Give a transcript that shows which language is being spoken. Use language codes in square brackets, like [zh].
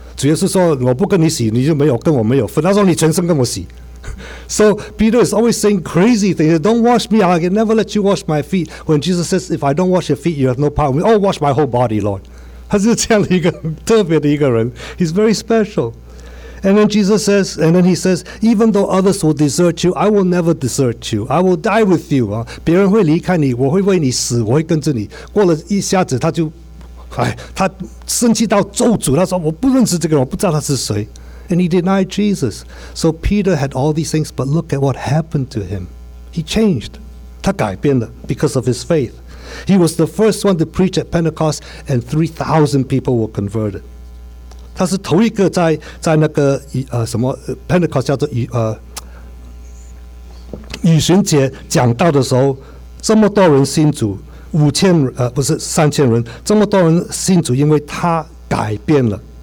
[zh] 主耶稣说我不跟你洗你就没有跟我没有分，他说你全身跟我洗。 [en] So Peter is always saying crazy things. Don't wash me. I can never let you wash my feet. When Jesus says, if I don't wash your feet, you have no part of me. Oh, wash my whole body, Lord. [zh] 他是这样的一个特别的一个人。 [en] He's very special. And then Jesus says, and then he says, even though others will desert you, I will never desert you. I will die with you. [zh] 别人会离开你，我会为你死，我会跟着你。过了一下子，他就，哎，他生气到咒诅，他说我不认识这个人，我不知道他是谁。 [en] And he denied Jesus. So Peter had all these things, but look at what happened to him. He changed. [zh] 他改变了 [en] because of his faith. He was the first one to preach at Pentecost, and 3,000 people were converted. [zh] 他是头一个在那个什么 Pentecost 叫做与旬节讲道的时候，这么多人信主，五千不是三千人，这么多人信主，因为他改变了。